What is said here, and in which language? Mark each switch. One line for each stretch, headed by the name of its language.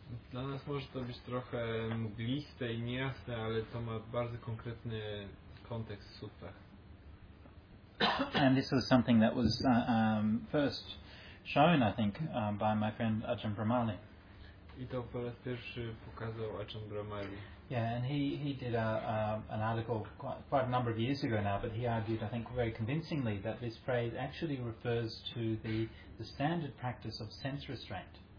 Polish: Dla nas może to być trochę mgliste i niejasne, ale to ma bardzo konkretny kontekst w suttach.
English: And this was something that was first shown, I think, by my friend Ajahn Brahmali.
Polish: I to po raz pierwszy pokazał Ajahn Brahmali.
English: Yeah, and he did an article quite a number of years ago now, but he argued, I think, very convincingly that this phrase actually refers to the standard practice of sense restraint.